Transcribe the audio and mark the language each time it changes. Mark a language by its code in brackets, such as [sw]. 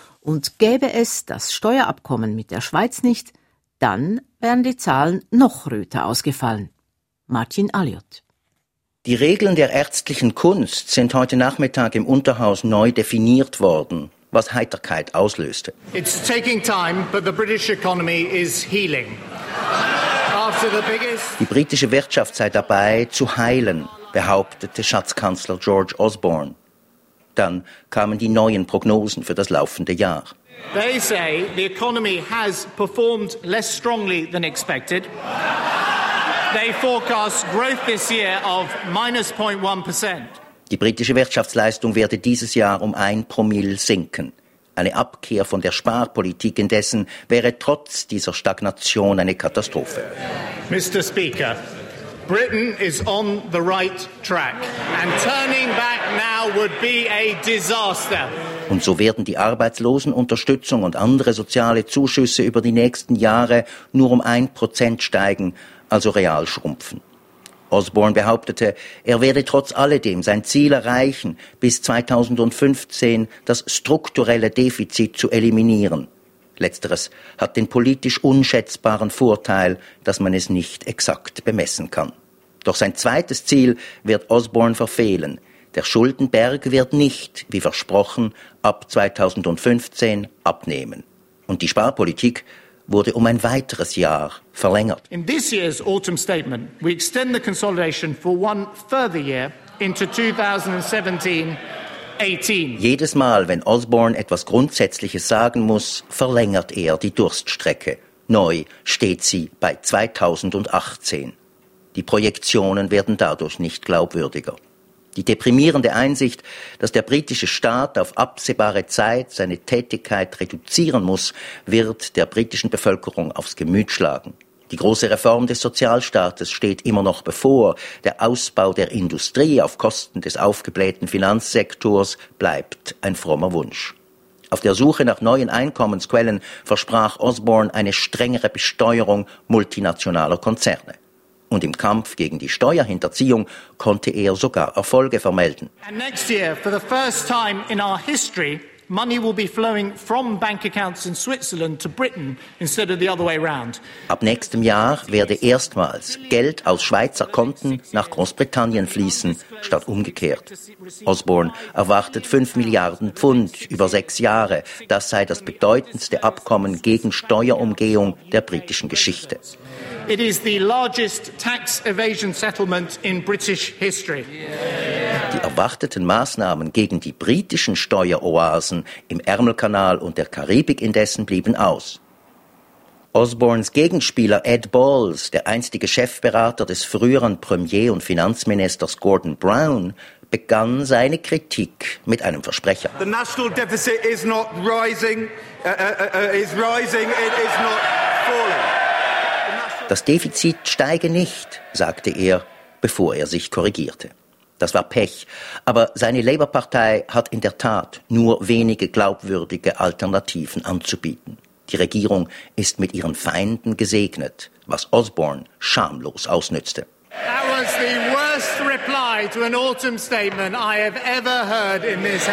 [de] Und gäbe es das Steuerabkommen mit der Schweiz nicht, dann wären die Zahlen noch röter ausgefallen. Martin Alliot. Die Regeln der ärztlichen Kunst sind heute Nachmittag im Unterhaus neu definiert worden, was Heiterkeit auslöste. [en] It's taking time, but the British economy is healing. After the biggest... [de] Die britische Wirtschaft sei dabei zu heilen, behauptete Schatzkanzler George Osborne. Dann kamen die neuen Prognosen für das laufende Jahr. [en] They say the economy has performed less strongly than expected. They forecast growth this year of minus 0.1%. [de] Die britische Wirtschaftsleistung werde dieses Jahr um 1 Promille sinken. Eine Abkehr von der Sparpolitik indessen wäre trotz dieser Stagnation eine Katastrophe. [en] Mr. Speaker, Britain is on the right track and turning back now would be a disaster. [de] Und so werden die Arbeitslosenunterstützung und andere soziale Zuschüsse über die nächsten Jahre nur um 1% steigen. Also real schrumpfen. Osborne behauptete, er werde trotz alledem sein Ziel erreichen, bis 2015 das strukturelle Defizit zu eliminieren. Letzteres hat den politisch unschätzbaren Vorteil, dass man es nicht exakt bemessen kann. Doch sein zweites Ziel wird Osborne verfehlen. Der Schuldenberg wird nicht, wie versprochen, ab 2015 abnehmen. Und die Sparpolitik wurde um ein weiteres Jahr verlängert. [en] In this year's autumn statement, we extend the consolidation for one further year into 2017-18. [de] Jedes Mal, wenn Osborne etwas Grundsätzliches sagen muss, verlängert er die Durststrecke. Neu steht sie bei 2018. Die Projektionen werden dadurch nicht glaubwürdiger. Die deprimierende Einsicht, dass der britische Staat auf absehbare Zeit seine Tätigkeit reduzieren muss, wird der britischen Bevölkerung aufs Gemüt schlagen. Die große Reform des Sozialstaates steht immer noch bevor. Der Ausbau der Industrie auf Kosten des aufgeblähten Finanzsektors bleibt ein frommer Wunsch. Auf der Suche nach neuen Einkommensquellen versprach Osborne eine strengere Besteuerung multinationaler Konzerne. Und im Kampf gegen die Steuerhinterziehung konnte er sogar Erfolge vermelden. [en] And next year, for the first time in our history, money will be flowing from bank accounts in Switzerland to Britain instead of the other way around. [de] Ab nächstem Jahr werde erstmals Geld aus Schweizer Konten nach Großbritannien fließen, statt umgekehrt. Osborne erwartet 5 Milliarden Pfund über 6 Jahre. Das sei das bedeutendste Abkommen gegen Steuerumgehung der britischen Geschichte. [en] It is the largest tax evasion settlement in British history. [de] Die erwarteten Maßnahmen gegen die britischen Steueroasen im Ärmelkanal und der Karibik indessen blieben aus. Osbornes Gegenspieler Ed Balls, der einstige Chefberater des früheren Premier und Finanzministers Gordon Brown, begann seine Kritik mit einem Versprecher. [en] The national deficit is not rising, is rising, it is not falling. [de] Das Defizit steige nicht, sagte er, bevor er sich korrigierte. Das war Pech, aber seine Labour-Partei hat in der Tat nur wenige glaubwürdige Alternativen anzubieten. Die Regierung ist mit ihren Feinden gesegnet, was Osborne schamlos ausnützte. [en] That was the worst reply to an autumn statement I have ever heard in this house.